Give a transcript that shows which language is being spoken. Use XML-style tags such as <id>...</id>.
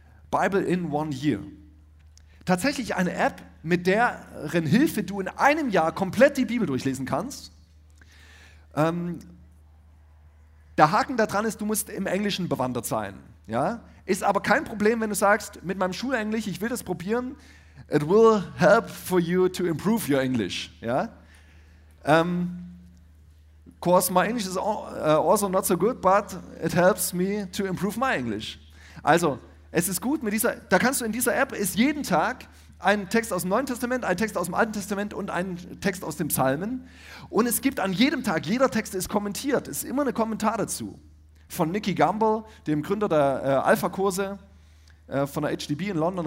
<de>Bible in One Year. Tatsächlich eine App, mit deren Hilfe du in einem Jahr komplett die Bibel durchlesen kannst. Der Haken daran ist, du musst im Englischen bewandert sein, ja. Ist aber kein Problem, wenn du sagst, mit meinem Schulenglisch, ich will das probieren,</de> <en>it will help for you to improve your English.</en> <de>Ja?</de> <en>Of course, my English is also not so good, but it helps me to improve my English.</en> <de>Also, es ist gut, da kannst du in dieser App, ist jeden Tag ein Text aus dem Neuen Testament, ein Text aus dem Alten Testament und ein Text aus dem Psalmen. Und es gibt an jedem Tag, jeder Text ist kommentiert, ist immer ein Kommentar dazu. Von Nicky Gamble, dem Gründer der Alpha-Kurse von der HDB in London.</de>